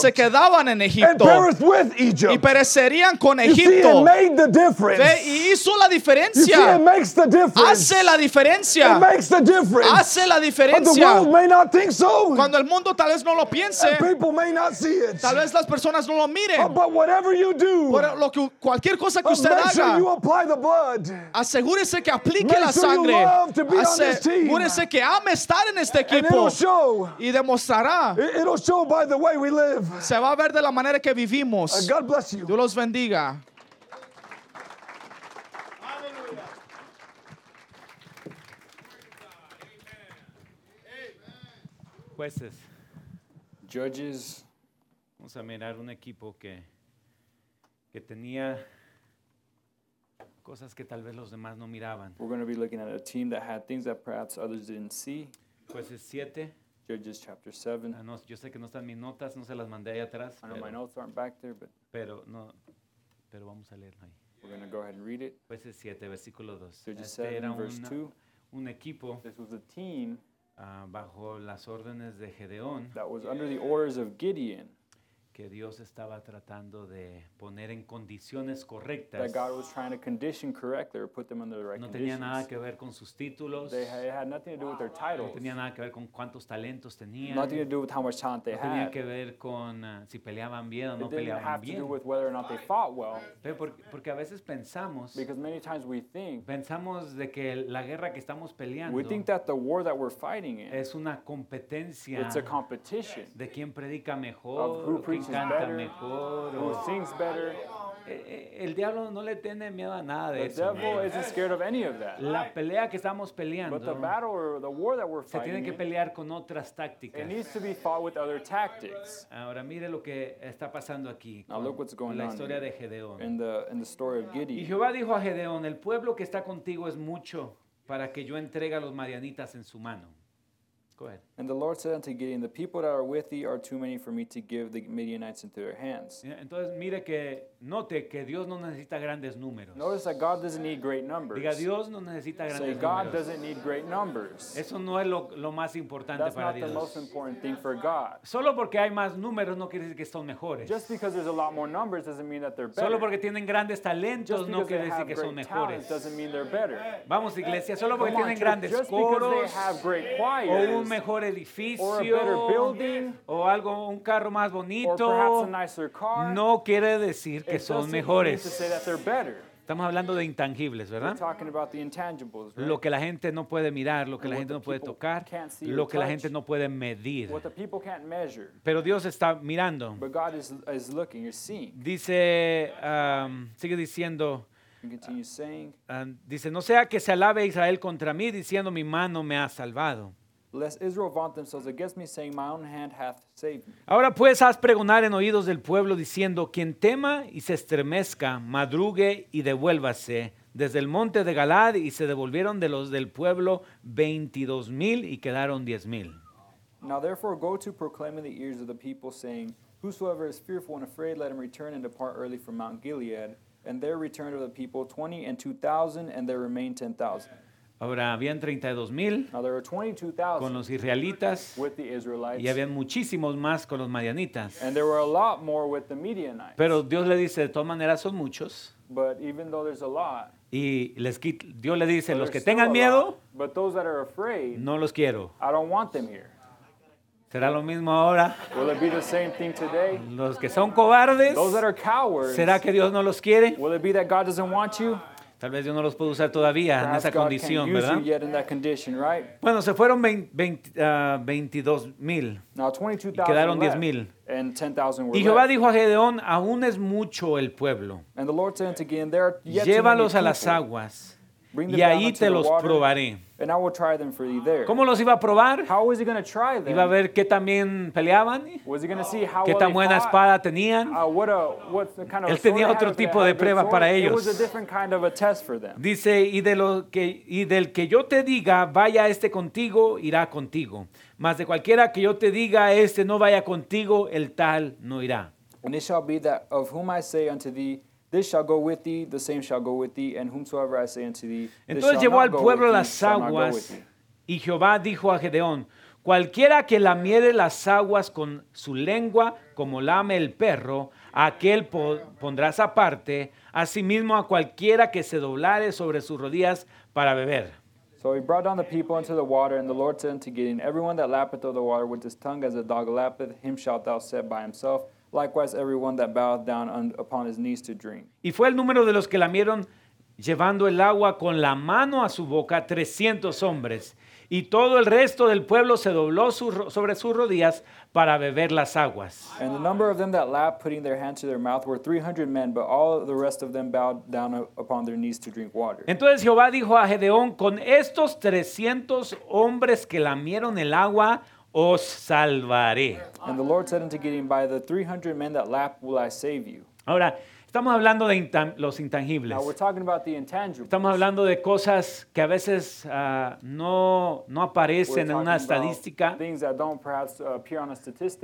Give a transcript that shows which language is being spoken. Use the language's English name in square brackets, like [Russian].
[Spanish] que se quedaban en Egipto, [English] and perish with Egypt, [Spanish] y perecerían con Egipto. [English] You see, it made the difference. [Spanish] Ve, y hizo la diferencia. [English] You see, it makes the difference. [Spanish] Hace la diferencia. [English] It makes the difference. [Spanish] Hace la diferencia. [English] But the world may not think so. [Spanish] Cuando el mundo tal vez no lo piense, [English] and people may not see it. [Spanish] Tal vez las personas no lo miren. [English] But whatever you do, [Spanish] lo que, cualquier cosa que usted [English] make [Spanish] haga, [English] sure you apply the blood. [Spanish] Asegúrese que aplique [English] make [Spanish] la sangre. [English] Sure you love to be on this team. [Spanish] Júrese que ame estar en este equipo. [English] And it'll show. [Spanish] Y demostrará. [English] It'll show by the way we live. [Spanish] Se va a ver de la manera que vivimos. [English] God bless you. [Spanish] Dios los bendiga. Jueces. [English] Judges. [Spanish] Vamos a mirar un equipo que tenía cosas que tal vez los demás no miraban. [English] We're going to be looking at a team that had things that perhaps others didn't see. [Spanish] Jueces 7. [English] Judges chapter 7. [Spanish] Ah, no, yo sé que no están mis notas, no se las mandé ahí atrás. [English] I know my notes aren't back there, but... [Spanish] Pero no, pero vamos a leerlo ahí. [English] We're going to go ahead and read it. [Spanish] Jueces 7, versículo 2. [English] Judges 7, verse 2. [Spanish] Un equipo. [English] This was a team. [Spanish] Bajo las órdenes de Gedeón. [English] That was under the orders of Gideon. [Spanish] que Dios estaba tratando de poner en condiciones correctas. [English] That God was trying to condition correctly or put them under the right conditions. [Spanish] No tenía nada que ver con sus títulos. [English] They had nothing to do with their titles. [Spanish] No tenía nada que ver con cuántos talentos tenían. [English] Nothing to do with how much talent they had. [Spanish] No tenía que ver con si peleaban bien o no peleaban bien. [English] It didn't have to do with whether or not they fought well. [Spanish] Pero porque a veces pensamos. [English] Because many times we think. [Spanish] Pensamos de que la guerra que estamos peleando. [English] We think that the war that we're fighting in. [Spanish] Es una competencia. [English] It's a competition. [Spanish] De quién predica mejor. [English] Of who preaches. [Spanish] Canta mejor, [English] who sings better. [Spanish] El diablo no le tiene miedo a nada de eso. [English] The devil isn't scared of any of that. [Spanish] La pelea que estamos peleando, [English] but the battle or the war that we're fighting, [Spanish] se tiene que pelear con otras tácticas. [English] It needs to be fought with other tactics. [Spanish] Ahora mire lo que está pasando aquí. [English] Now look what's going on. [Spanish] La historia de Gedeón. [English] In the story of Gideon. [Spanish] Y Jehová dijo a Gedeón, el pueblo que está contigo es mucho para que yo entregue a los madianitas en su mano. [English] Go ahead. And the Lord said unto Gideon, the people that are with thee are too many for me to give the Midianites into their hands. [Spanish] Entonces, mire que, note que Dios no necesita grandes números. [English] Notice that God doesn't need great numbers. [Spanish] Diga, Dios no necesita grandes [English] Say, God [Spanish] números. [English] Doesn't need great numbers. [Spanish] Eso no es lo más importante [English] That's [Spanish] para Dios. [English] That's not the most important thing for God. [Spanish] Solo porque hay más números no quiere decir que son mejores. [English] Just because there's a lot more numbers doesn't mean that they're better. [Spanish] Solo porque tienen grandes talentos no quiere decir que son mejores. [English] Just because they have great talents doesn't mean they're better. [Spanish] Vamos, iglesia, solo porque tienen grandes coros. [English] Just because they have great choirs. [Spanish] Un mejor edificio [English] or a better building, [Spanish] o algo, un carro más bonito, [English] or perhaps a nicer car, [Spanish] no quiere decir que [English] it [Spanish] son mejores. [English] To say that they're better. [Spanish] Estamos hablando de intangibles, ¿verdad? [English] We're talking about the intangibles, right? [Spanish] Lo que la gente no puede mirar, lo que la gente no puede tocar, lo que la gente no puede medir. [English] What the people can't measure. [Spanish] Pero Dios está mirando. [English] But God is looking, you're seeing. [Spanish] Dice, sigue diciendo. [English] And continue saying, [Spanish] dice, no sea que se alabe Israel contra mí, diciendo mi mano me ha salvado. [English] Lest Israel vaunt themselves against me, saying, my own hand hath saved me. [Spanish] Ahora pues, haz pregonar en oídos del pueblo, diciendo, quien tema y se estremezca, madrugue y devuélvase. Desde el monte de Galaad, y se devolvieron de los del pueblo 22,000, y quedaron 10,000. [English] Now therefore go to proclaim in the ears of the people, saying, whosoever is fearful and afraid, let him return and depart early from Mount Gilead. And there returned of the people 22,000, and there remained 10,000. [Spanish] Ahora habían 32,000 con los israelitas y habían muchísimos más con los madianitas. [English] And there were a lot more with the Midianites. [Spanish] Pero Dios le dice, de todas maneras son muchos. [English] But even though there's a lot, [Spanish] y les quita, Dios le dice, los que tengan miedo, [English] but those that are afraid, [Spanish] no los quiero. [English] I don't want them here. [Spanish] ¿Será lo mismo ahora? [English] Will it be the same thing today? [Spanish] Los que son cobardes, [English] those that are cowards, [Spanish] ¿será que Dios no los quiere? [English] Will it be that God doesn't want you? [Spanish] Tal vez Dios no los puede usar todavía [English] Perhaps [Spanish] en esa [English] God [Spanish] condición, ¿verdad? [English] Right? [Spanish] Bueno, se fueron 22,000 y quedaron 10,000. Y Jehová dijo a Gedeón, aún es mucho el pueblo. [English] Again, [Spanish] llévalos a las aguas y ahí te los probaré. [English] And I will try them for you there. [Spanish] ¿Cómo los iba a probar? [English] How was he going to try them? [Spanish] ¿Iba a ver qué también peleaban? [English] Was he going to see how [Spanish] ¿Qué [English] well [Spanish] tan buena [English] fought? [Spanish] Espada tenían? [English] What kind of [Spanish] Él tenía otro tipo de prueba para ellos. [English] It was a different kind of a test for them. [Spanish] Dice, y del que yo te diga, vaya este contigo, irá contigo. Mas de cualquiera que yo te diga, este no vaya contigo, el tal no irá. [English] And it shall be that of whom I say unto thee, this shall go with thee, the same shall go with thee, and whomsoever I say unto thee, this [Spanish] Entonces llevó [English] not [Spanish] al [English] go [Spanish] pueblo [English] with [Spanish] las aguas, y Jehová dijo a Gedeón, cualquiera que lamiere las aguas con su lengua, como lame el perro, aquel pondrás aparte, asimismo a cualquiera que se doblare sobre sus rodillas para beber. [English] So he brought down the people into the water, and the Lord said unto Gideon, everyone that lappeth of the water with his tongue as a dog lappeth, him shalt thou set by himself. Likewise, everyone that bowed down upon his knees to drink. [Spanish] Y fue el número de los que lamieron llevando el agua con la mano a su boca, 300 hombres. Y todo el resto del pueblo se dobló sobre sus rodillas para beber las aguas. [English] And the number of them that lapped, putting their hands to their mouth, were 300 men, but all the rest of them bowed down upon their knees to drink water. [Spanish] Entonces Jehová dijo a Gedeón, con estos 300 hombres que lamieron el agua, os salvaré. [English] And the Lord said unto Gideon, by the 300 men that lap will I save you. [Spanish] Ahora, estamos hablando de los intangibles. [English] Now we're talking about the intangibles. [Spanish] Estamos hablando de cosas que a veces no aparecen en una estadística. [English] Things that don't perhaps appear on a statistic